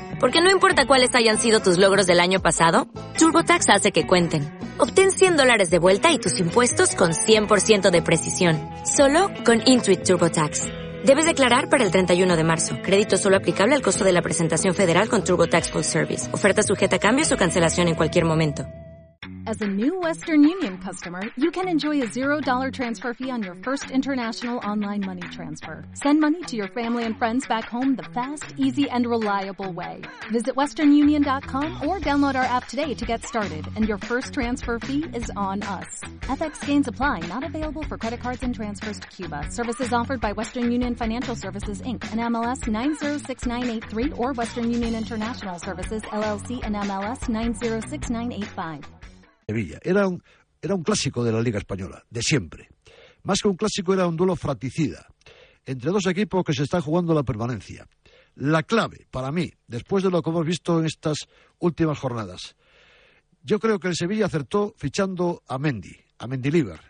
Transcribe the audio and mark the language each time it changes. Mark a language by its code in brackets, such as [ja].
[es] Porque no importa cuáles hayan sido tus logros del año pasado, TurboTax hace que cuenten. Obtén $100 de vuelta y tus impuestos con 100% de precisión. Solo con Intuit TurboTax. Debes declarar para el 31 de marzo. Crédito solo aplicable al costo de la presentación federal con TurboTax Full Service. Oferta sujeta a cambios o cancelación en cualquier momento. [en] As a new Western Union customer, you can enjoy a $0 transfer fee on your first international online money transfer. Send money to your family and friends back home the fast, easy, and reliable way. Visit WesternUnion.com or download our app today to get started, and your first transfer fee is on us. FX gains apply, not available for credit cards and transfers to Cuba. Services offered by Western Union Financial Services, Inc., and MLS 906983, or Western Union International Services, LLC, and MLS 906985. [es] Sevilla. Era un clásico de la Liga Española, de siempre. Más que un clásico, era un duelo fratricida entre dos equipos que se están jugando la permanencia. La clave, para mí, después de lo que hemos visto en estas últimas jornadas, yo creo que el Sevilla acertó fichando a Mendilibar.